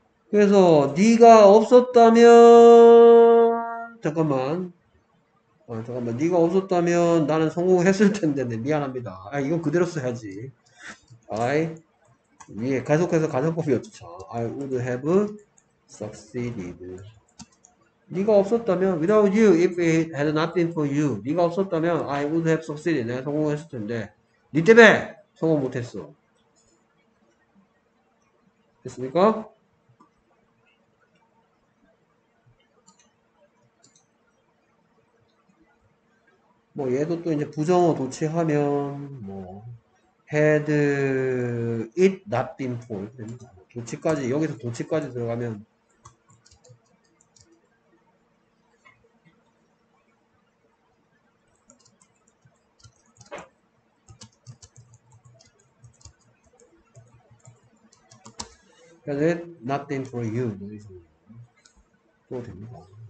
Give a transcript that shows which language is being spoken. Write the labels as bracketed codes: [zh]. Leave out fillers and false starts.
[ko] 그래서 네가 없었다면 잠깐만. 잠깐만, 네가 없었다면 나는 성공했을 텐데, 네, 미안합니다. 아, 이건 그대로 써야지. 위에 계속해서 가정법이었죠. [en] I would have succeeded. [ko] 네가 없었다면, [en] without you, if it had not been for you, 네가 없었다면 I would have succeeded. [ko] 내가 성공했을 텐데, 네 때문에 성공 못했어. 됐습니까? 뭐 얘도 또 이제 부정어 도치하면 뭐 [en] had it not been for [ko] 도치까지 여기서 도치까지 들어가면 [en] had it not been for you [ko] 또 됩니다.